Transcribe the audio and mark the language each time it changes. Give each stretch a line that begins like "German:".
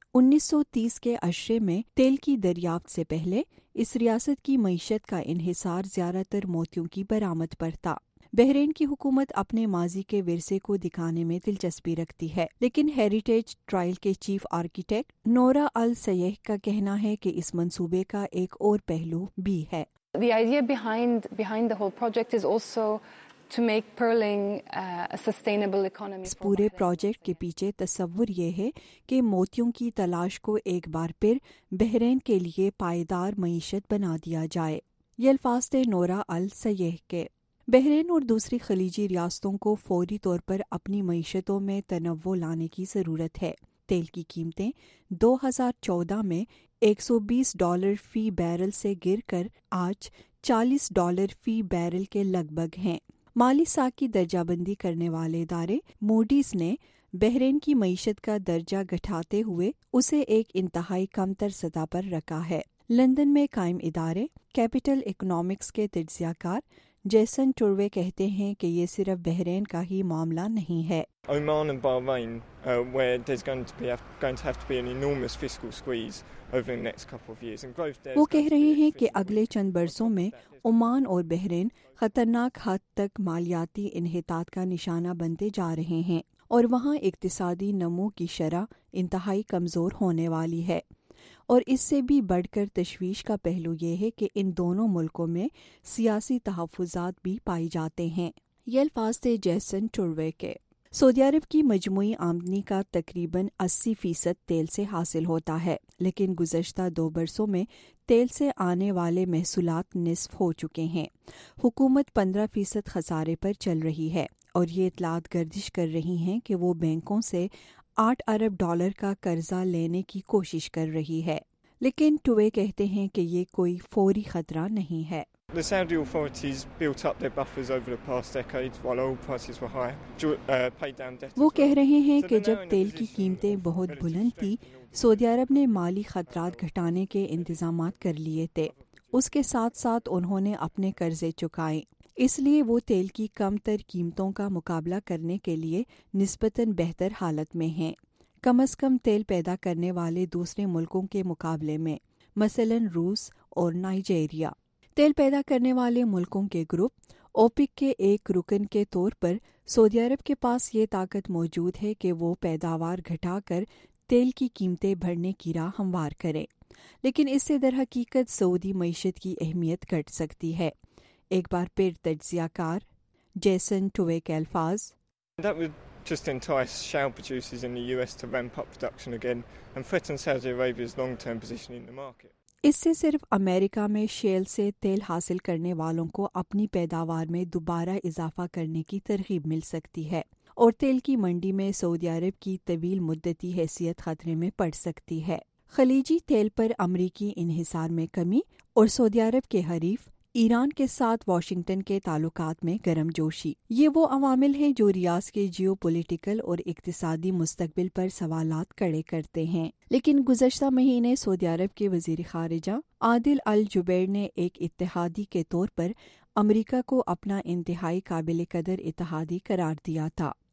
Urdu: 1930 کے عشرے میں تیل کی دریافت سے پہلے اس ریاست کی معیشت کا انحصار زیادہ تر موتیوں کی برآمد پر تھا۔ بحرین کی حکومت اپنے ماضی کے ورثے کو دکھانے میں دلچسپی رکھتی ہے، لیکن ہیریٹیج ٹرائل کے چیف آرکیٹیکٹ نورا السیح کا کہنا ہے کہ اس منصوبے کا ایک اور پہلو بھی ہے۔
English: The idea behind the whole project is also to make pearling a sustainable economy.
Urdu: اس پورے پروجیکٹ کے پیچھے تصور یہ ہے کہ موتیوں کی تلاش کو ایک بار پھر بحرین کے لیے پائیدار معیشت بنا دیا جائے۔ یہ الفاظ تھے نورا السیح کے۔ بحرین اور دوسری خلیجی ریاستوں کو فوری طور پر اپنی معیشتوں میں تنوع لانے کی ضرورت ہے۔ تیل کی قیمتیں 2014 میں $120 فی بیرل سے گر کر آج $40 فی بیرل کے لگ بھگ ہیں۔ مالی ساکھ کی درجہ بندی کرنے والے ادارے موڈیز نے بحرین کی معیشت کا درجہ گھٹاتے ہوئے اسے ایک انتہائی کم تر سطح پر رکھا ہے۔ لندن میں قائم ادارے کیپیٹل اکنامکس کے تجزیہ کار جیسن ٹروے کہتے ہیں کہ یہ صرف بحرین کا ہی معاملہ نہیں ہے۔
English: Oman and Bahrain, where there's going to have to be an enormous fiscal squeeze over the next couple of years and growth there.
Urdu: وہ کہہ رہے ہیں کہ اگلے چند برسوں میں عمان اور بحرین خطرناک حد تک مالیاتی انحطاط کا نشانہ بنتے جا رہے ہیں، اور وہاں اقتصادی نمو کی شرح انتہائی کمزور ہونے والی ہے۔ اور اس سے بھی بڑھ کر تشویش کا پہلو یہ ہے کہ ان دونوں ملکوں میں سیاسی تحفظات بھی پائی جاتے ہیں۔ یہ الفاظ تھے جیسن ٹروے کے۔ سعودی عرب کی مجموعی آمدنی کا تقریباً 80% تیل سے حاصل ہوتا ہے، لیکن گزشتہ دو برسوں میں تیل سے آنے والے محصولات نصف ہو چکے ہیں۔ حکومت 15% خسارے پر چل رہی ہے، اور یہ اطلاعات گردش کر رہی ہیں کہ وہ بینکوں سے $8 ارب کا قرضہ لینے کی کوشش کر رہی ہے، لیکن ٹوے کہتے ہیں کہ یہ کوئی فوری خطرہ نہیں ہے۔
English: The Saudi authorities built up their buffers over the past decades while oil prices were high, paid down debt.
Urdu: وہ کہہ رہے ہیں کہ جب تیل کی قیمتیں بہت بلند تھی، سعودی عرب نے مالی خطرات گھٹانے کے انتظامات کر لیے تھے، اس کے ساتھ ساتھ انہوں نے اپنے قرضے چکائے، اس لیے وہ تیل کی کم تر قیمتوں کا مقابلہ کرنے کے لیے نسبتاً بہتر حالت میں ہیں، کم از کم تیل پیدا کرنے والے دوسرے ملکوں کے مقابلے میں، مثلاً روس اور نائجیریا۔ تیل پیدا کرنے والے ملکوں کے گروپ اوپک کے ایک رکن کے طور پر سعودی عرب کے پاس یہ طاقت موجود ہے کہ وہ پیداوار گھٹا کر تیل کی قیمتیں بڑھنے کی راہ ہموار کرے، لیکن اس سے در حقیقت سعودی معیشت کی اہمیت گھٹ سکتی ہے۔ ایک بار پھر تجزیہ کار جیسن ٹوے کے الفاظ۔
English: Just entice shale producers in the US to ramp up production again and threaten Saudi Arabia's long-term position in the market.
Urdu: اس سے صرف امریکہ میں شیل سے تیل حاصل کرنے والوں کو اپنی پیداوار میں دوبارہ اضافہ کرنے کی ترغیب مل سکتی ہے، اور تیل کی منڈی میں سعودی عرب کی طویل مدتی حیثیت خطرے میں پڑ سکتی ہے۔ خلیجی تیل پر امریکی انحصار میں کمی اور سعودی عرب کے حریف ایران کے ساتھ واشنگٹن کے تعلقات میں گرم جوشی، یہ وہ عوامل ہیں جو ریاض کے جیو پولیٹیکل اور اقتصادی مستقبل پر سوالات کھڑے کرتے ہیں۔ لیکن گزشتہ مہینے سعودی عرب کے وزیر خارجہ عادل الجبیر نے ایک اتحادی کے طور پر امریکہ کو اپنا انتہائی قابل قدر اتحادی قرار دیا تھا۔